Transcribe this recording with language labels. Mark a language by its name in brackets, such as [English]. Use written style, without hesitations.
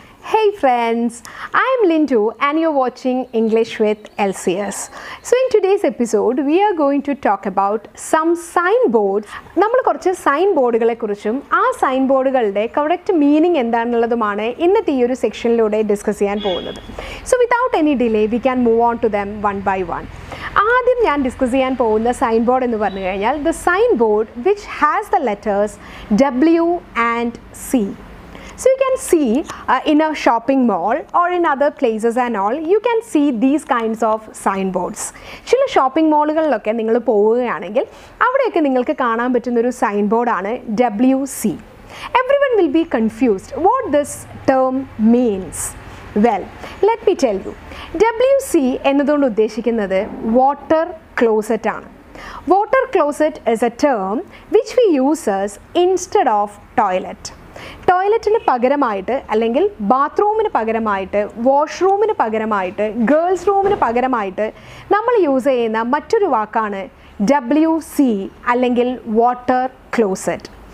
[English] Hey friends, I'm Lindu and you're watching English with LCS. So in today's episode, we are going to talk about some signboards. [Malayalam] നമ്മള് കുറച്ച് സൈൻബോർഡുകളെ കുറിച്ചും ആ സൈൻബോർഡുകളുടെ correct meaning എന്താണെന്നുള്ളതുമാണ് ഇന്നത്തെ ഈ ഒരു സെക്ഷനിലൂടെ discuss ചെയ്യാൻ പോകുന്നത്. [English] So without any delay, we can move on to them one by one. [Malayalam] ആദ്യം ഞാൻ ഡിസ്കസ് ചെയ്യാൻ പോകുന്ന സൈൻബോർഡ് എന്ന് പറഞ്ഞു കഴിഞ്ഞാൽ [English] The signboard which has the letters W and C. So you can see in a shopping mall or in other places and all, you can see these kinds of signboards. [Malayalam] ചില shopping മാളുകളിലൊക്കെ നിങ്ങൾ പോവുകയാണെങ്കിൽ അവിടെയൊക്കെ നിങ്ങൾക്ക് കാണാൻ പറ്റുന്ന ഒരു സൈൻബോർഡ് ആണ് WC. [English] Everyone will be confused what this term means. Well, let me tell you. [Malayalam] WC എന്നതുകൊണ്ട് ഉദ്ദേശിക്കുന്നത് വാട്ടർ ക്ലോസറ്റ് ആണ്. [English] Water closet is A term which we users instead of toilet. [Malayalam] ടോയ്ലറ്റിന് പകരമായിട്ട് അല്ലെങ്കിൽ ബാത്റൂമിന് പകരമായിട്ട് വാഷ്റൂമിന് പകരമായിട്ട് ഗേൾസ് റൂമിന് പകരമായിട്ട് നമ്മൾ യൂസ് ചെയ്യുന്ന മറ്റൊരു വാക്കാണ് WC അല്ലെങ്കിൽ വാട്ടർ ക്ലോസറ്റ്.